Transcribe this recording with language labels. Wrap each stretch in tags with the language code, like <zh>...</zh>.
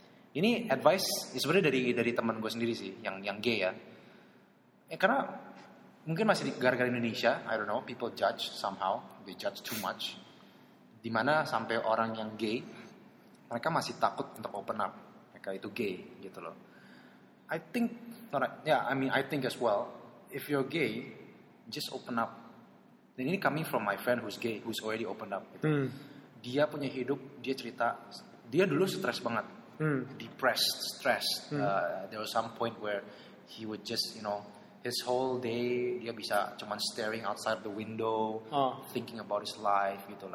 <id>Ini advice sebenarnya dari teman gue sendiri sih yang gay ya. Karena mungkin masih di gara-gara Indonesia,</id> <en>I don't know, people judge somehow, they judge too much.</en> <id>Dimana sampai orang yang gay, mereka masih takut untuk</id> <en>open up,</en> <id>mereka itu gay gitu loh.</id> <en>I think, I think as well, if you're gay, just open up.</en> <id>Dan ini</id> <en>coming from my friend who's gay, who's already opened up.</en> <id>Gitu. Dia punya hidup, dia cerita, dia dulu stres banget,</id> <en>depressed, stressed. There was some point where he would just, you know, his whole day,</en> <id>dia bisa cuman</id> <en>staring outside the window, thinking about his life, gitu.</en>